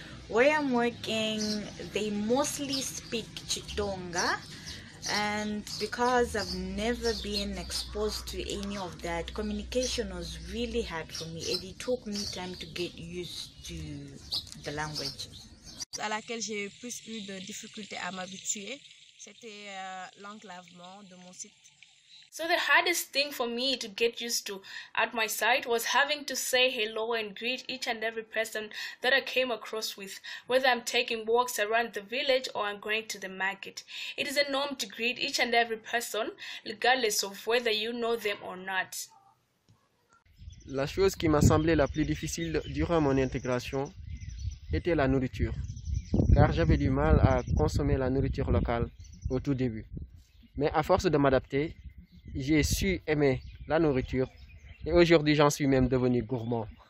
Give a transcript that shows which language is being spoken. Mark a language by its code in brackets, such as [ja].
[en] Where I'm working, they mostly speak Chitonga, and because I've never been exposed to any of that, communication was really hard for me, and it took me time to get used to the language. [fr] À laquelle j'ai plus eu de difficultés à m'habituer, c'était l'enclavement de mon site. [en] So the hardest thing for me to get used to at my site was having to say hello and greet each and every person that I came across with, whether I'm taking walks around the village or I'm going to the market. It is a norm to greet each and every person, regardless of whether you know them or not. [fr] La chose qui m'a semblé la plus difficile durant mon intégration était la nourriture, car j'avais du mal à consommer la nourriture locale au tout début. Mais à force de m'adapter, j'ai su aimer la nourriture et aujourd'hui j'en suis même devenu gourmand.